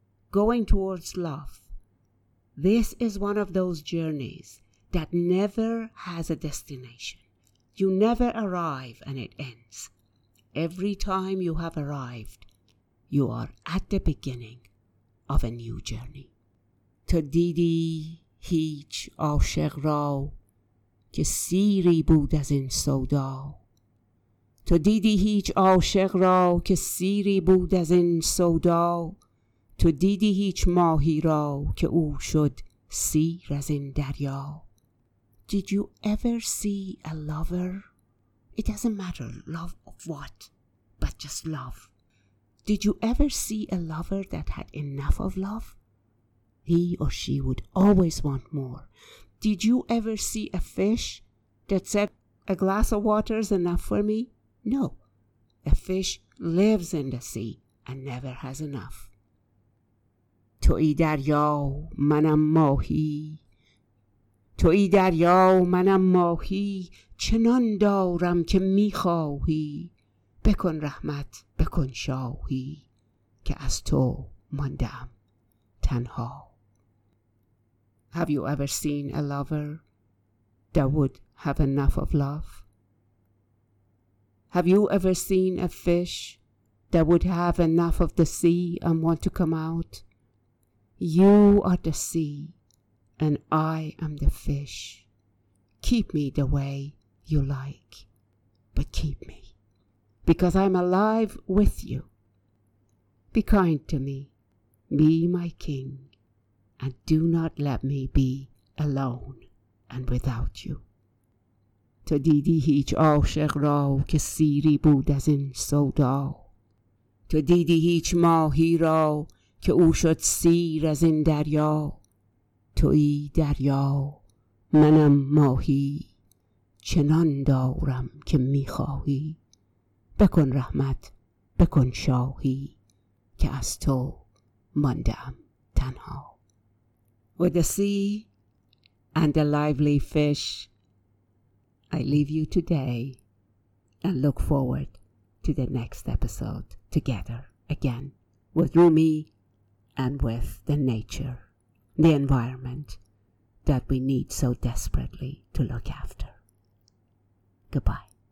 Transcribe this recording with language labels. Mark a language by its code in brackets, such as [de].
[en] Going towards love. This is one of those journeys that never has a destination. You never arrive and it ends. Every time you have arrived, you are at the beginning of a new journey. [fa] تا دیدی هیچ عاشق را که سیری بود از این سودا تا دیدی هیچ عاشق را که سیری بود از این سودا تا دیدی هیچ ماهی را که او شد سیر از این دریا. [en] Did you ever see a lover? It doesn't matter love of what, but just love. Did you ever see a lover that had enough of love? He or she would always want more. Did you ever see a fish that said, a glass of water is enough for me? No. A fish lives in the sea and never has enough. [fa] توی دریا منم ماهی. توی دریا منم ماهی چنان دارم که میخواهی بکن رحمت بکن شاهی که از تو ماندم تنها. [en] Have you ever seen a lover that would have enough of love? Have you ever seen a fish that would have enough of the sea and want to come out? You are the sea. And I am the fish. Keep me the way you like, but keep me, because I'm alive with you. Be kind to me, be my king, and do not let me be alone and without you. [fa] تو دیدی هیچ عاشق را که سیری بود از این سودا تو دیدی هیچ ماهی را که او شد سیر از این دریا توی دریا منم ماهی چنان دارم که میخواهی، بکن رحمت بکن شاهی که از تو ماندم تنها. [en] With the sea and the lively fish, I leave you today and look forward to the next episode together again with Rumi and with the nature, the environment that we need so desperately to look after. Goodbye.